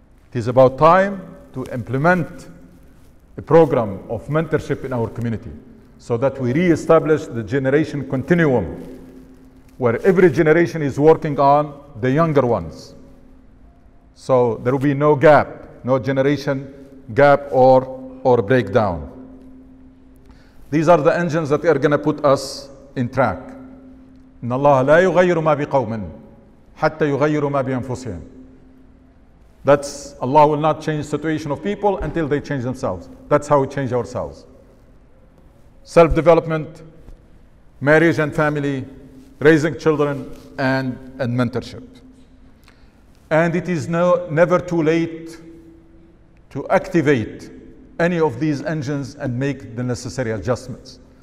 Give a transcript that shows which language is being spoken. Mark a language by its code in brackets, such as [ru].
[en] It is about time to implement a program of mentorship in our community so that we reestablish the generation continuum where every generation is working on the younger ones. So there will be no gap, no generation gap or breakdown. These are the engines that are going to put us in track. [ar] إن الله لا يغير ما بقوم حتى يغير ما بأنفسهم. [en] That's Allah will not change the situation of people until they change themselves. That's how we change ourselves. Self-development, marriage and family, raising children, and mentorship. And it is never too late to activate any of these engines and make the necessary adjustments.